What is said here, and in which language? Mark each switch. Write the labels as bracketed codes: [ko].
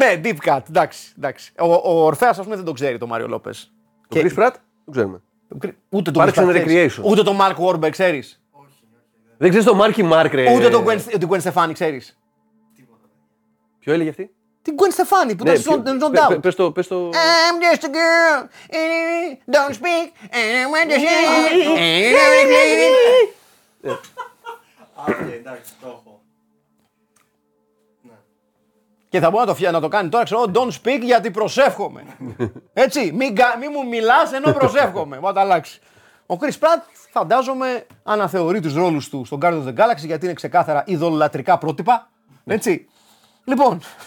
[el] Ναι, [en] deep cut, [el] εντάξει, εντάξει. Ο Ορφέας, ας πούμε, δεν τον ξέρει το Μάριο Λόπες. Το και... Chris Pratt, δεν ξέρουμε. Ούτε τον Chris Pratt, [en] recreation. [el] Ούτε τον Mark Wahlberg, ξέρεις. Όχι. Δεν ξέρεις τον Marky Mark, ρε. Ούτε τον Gwen Stefani, ξέρεις. Τίποτα. Ποιο έλεγε αυτή? Την Gwen Stefani που ήταν στον Don't Doubt. Πες το... [en] I'm just a girl, don't speak, and I want to say, and I'm a baby. [el] Και θα μπορεί να το κάνει τώρα, ξέρω, [en] don't speak [el] γιατί προσεύχομαι. Έτσι, μη μου μιλάς ενώ προσεύχομαι. Μπορεί να τα αλλάξει. Ο Chris Pratt, φαντάζομαι, αναθεωρεί τους ρόλους του στον Guardians of the Galaxy γιατί είναι ξεκάθαρα ειδωλολατρικά πρότυπα. Έτσι. Λοιπόν.